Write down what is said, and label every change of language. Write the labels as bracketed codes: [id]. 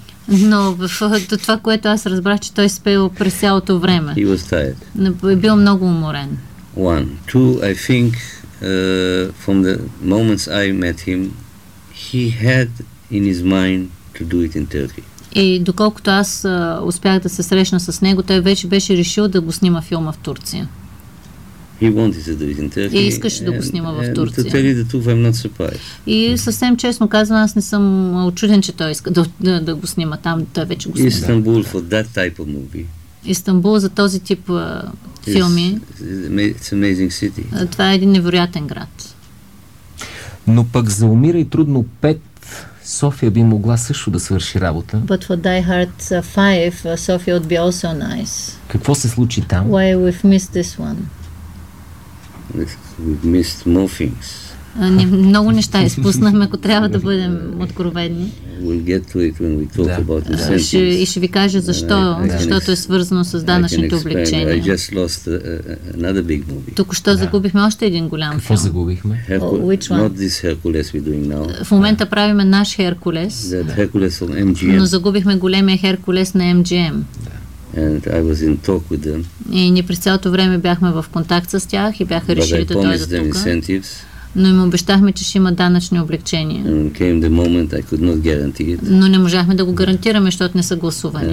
[bg] Но до това, което аз разбрах, че той спел през цялото време. [en] He was tired. [bg] Бил много уморен. [en] One. Two, I think, from the moments I met him, he had in his mind to do it in Turkey. [bg] И доколкото аз успях да се срещна с него, той вече беше решил да го снима филма в Турция. [en] He wanted to do it in Turkey. [bg] И искаше да го снима в Турция. [en] To tell you the truth, I'm not surprised. [bg] И съвсем честно казвам, аз не съм учуден, че той иска да го снима там. Той вече го снима. [en] Istanbul for that type of movie. [bg] Истанбул за този тип филми. [en] It's amazing city. [bg] Това е един невероятен град. Но пък за Умира и трудно 5 София би могла също да свърши работа. [en] But for Die Hard 5, Sofia would be also nice. [bg] Какво се случи там? [en] Why we've missed this one? We've missed more things. [bg] Много неща изпуснахме, ако трябва да бъдем откровени. [en] We'll get to it when we talk about the sentence. [bg] Ще ви кажа защо, защото е свързано с данъчните облегчения. [en] I just lost another big movie. [bg] Току-що загубихме още един голям филм. Какво загубихме? [en] Which one? Not this Hercules we're doing now. [bg] В момента правиме наш Hercules. [en] That Hercules on MGM. [bg] Но загубихме големия Hercules на MGM. [en] And I was in talk with them. [bg] И ние през цялото време бяхме в контакт с тях и бяха решили да дойдат тук. Но им обещахме, че ще има данъчни облегчения. [en] And came the moment I could not guarantee it. [bg] Но не можахме да го гарантираме, защото не са гласувани.